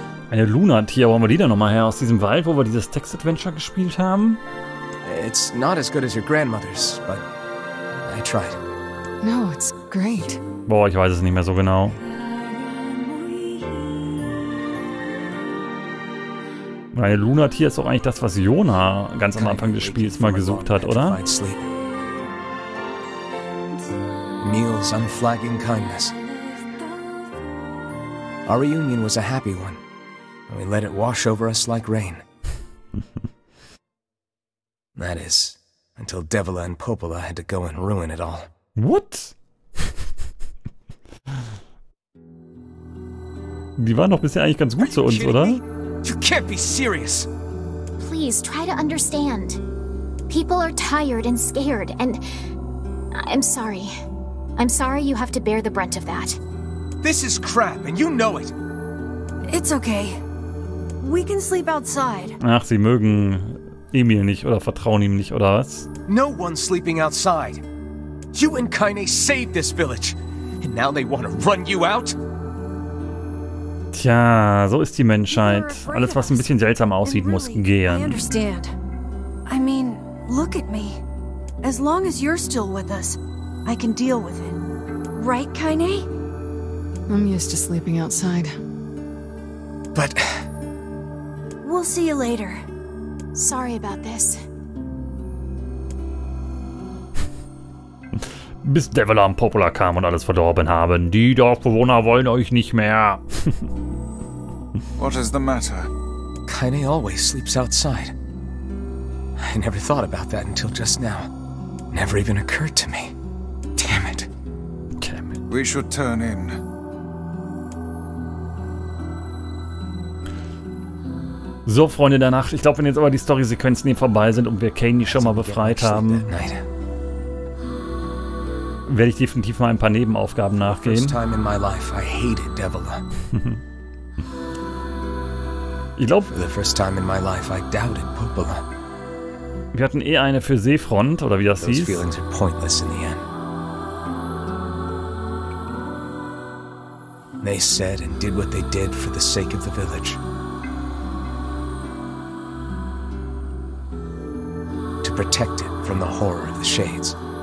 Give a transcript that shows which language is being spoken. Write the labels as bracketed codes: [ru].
[de] Eine Lunatier, wollen wir die da nochmal her aus diesem Wald, wo wir dieses Text-Adventure gespielt haben? [en] It's not as good as your grandmother's, but I tried. No, it's great. [de] Boah, ich weiß es nicht mehr so genau. Meine Lunatier ist auch eigentlich das, was Jona ganz am Anfang des Spiels mal gesucht hat, oder? [en] Neil's unflagging kindness. Our reunion was a happy one. We let it wash over us like rain. That is, until Devola and Popola had to go and ruin it all. What? [de] Die waren doch bisher eigentlich ganz gut zu uns, oder? [en] You can't be serious! Please, try to understand. People are tired and scared, and... I'm sorry. I'm sorry you have to bear the brunt of that. This is crap, and you know it! It's okay. We can sleep outside. [de] Ach, sie mögen Emil nicht, oder vertrauen ihm nicht, oder was? [en] No one's sleeping outside. You and Kaine saved this village, and now they want to run you out? [de] Tja, so ist die Menschheit. Alles, was ein bisschen seltsam aussieht, muss gehen. [en] I understand. I mean, look at me. As long as you're still with us, I can deal with it. Right, Kaine? I'm used to sleeping outside. But... We'll see you later. Sorry about this. [de] Bis Devola und Popola kam und alles verdorben haben. Die Dorfbewohner wollen euch nicht mehr. [en] What is the matter? Kaine always sleeps outside. I never thought about that until just now. Never even occurred to me. Damn it. Damn it. We should turn in. [de] So, Freunde der Nacht. Ich glaube, wenn jetzt aber die Story-Sequenzen hier vorbei sind und wir Kaine schon mal befreit haben, werde ich definitiv mal ein paar Nebenaufgaben nachgehen. [en] First time in my life, I hated Devola. [de] Ich glaube, [en] for the first time in my life, I doubted Popola. [de] Wir hatten eh eine für Seefront, oder wie das [en] Those [de] hieß. [en] Feelings are pointless in the end. They said and did what they did for the sake of the village. To protect it from the horror of the shades.